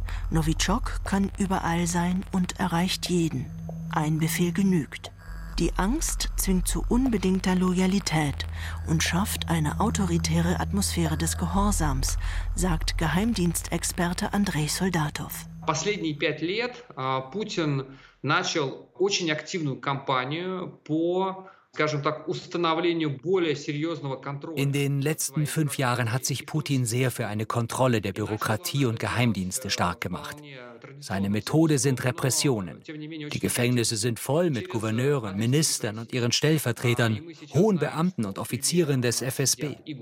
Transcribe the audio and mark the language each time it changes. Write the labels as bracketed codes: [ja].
[de] Novichok kann überall sein und erreicht jeden. Ein Befehl genügt. Die Angst zwingt zu unbedingter Loyalität und schafft eine autoritäre Atmosphäre des Gehorsams, sagt Geheimdienstexperte Andrei Soldatov. [ru] Последние пять лет Путин начал очень активную кампанию по, скажем так, установлению более серьезного контроля. [de] In den letzten fünf Jahren hat sich Putin sehr für eine Kontrolle der Bürokratie und Geheimdienste stark gemacht. Seine Methode sind Repressionen. Die Gefängnisse sind voll mit Gouverneuren, Ministern und ihren Stellvertretern, hohen Beamten und Offizieren des FSB.